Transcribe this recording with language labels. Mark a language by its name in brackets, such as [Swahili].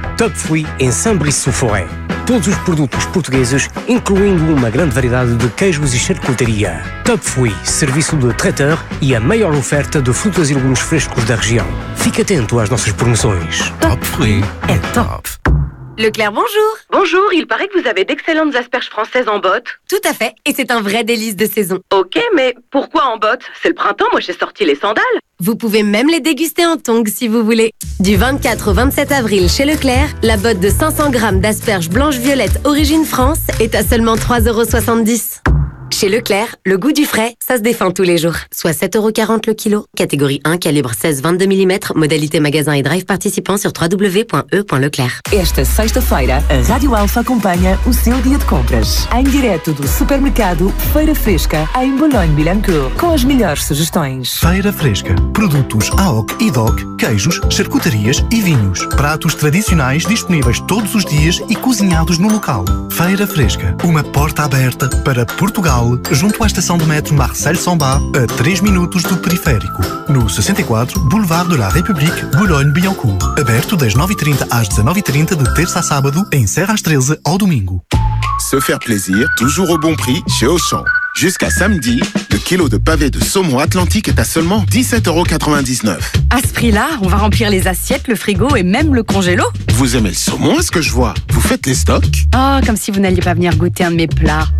[Portuguese] Top Fui em Sambre e Sufoé. Todos os produtos portugueses, incluindo uma grande variedade de queijos e charcutaria. Top Fui, serviço de traiteur e a maior oferta de frutas e legumes frescos da região. Fique atento às nossas promoções. Top Fui é top. [French] Leclerc, bonjour. Bonjour, il paraît que vous avez d'excellentes asperges françaises en bottes. Tout à fait, et c'est un vrai délice de saison. Ok, mais pourquoi en bottes? C'est le printemps, moi j'ai sorti les sandales. Vous pouvez même les déguster en tongs si vous voulez. Du 24 au 27 avril chez Leclerc, la botte de 500 grammes d'asperges blanche-violette origine France est à seulement 3,70€. Chez Leclerc, le goût du frais, ça se défend tous les jours. Soit 7,40€ le kilo. Catégorie 1, calibre 16-22mm, modalité magasin et drive participant sur www.e.leclerc. [Portuguese] Esta sexta-feira, a Rádio Alfa acompanha o seu dia de compras. Em direto do supermercado Feira Fresca, em Boulogne-Billancourt, com as melhores sugestões. Feira Fresca. Produtos AOC e DOC, queijos, charcutarias e vinhos. Pratos tradicionais disponíveis todos os dias e cozinhados no local. Feira Fresca. Uma porta aberta para Portugal. Junto à estação de metro Marcel Samba, a 3 minutos do periférico. No 64 Boulevard de la République, Boulogne-Billancourt. Aberto das 9h30 às 19h30 de terça a sábado, encerra às 13 ao domingo. [French] Se faire plaisir, toujours au bon prix, chez Auchan. Jusqu'à samedi, le kilo de pavé de saumon atlantique est à seulement 17,99€. À ce prix-là, on va remplir les assiettes, le frigo et même le congélo. Vous aimez le saumon, à ce que je vois? Vous faites les stocks? Oh, comme si vous n'alliez pas venir goûter un de mes plats.